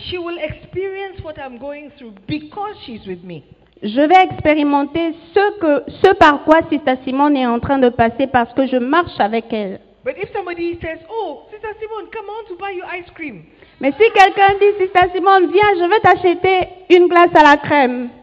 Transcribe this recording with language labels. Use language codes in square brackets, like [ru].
[en] she will experience what I'm going through because she's with me. [fr] Je vais expérimenter ce par quoi Sister Simone est en train de passer parce que je marche avec elle. [en] But if somebody says, oh, Sister Simone, come on to buy you ice cream. [fr] Mais si quelqu'un dit, Sister Simone, viens, je veux t'acheter une glace à la crème.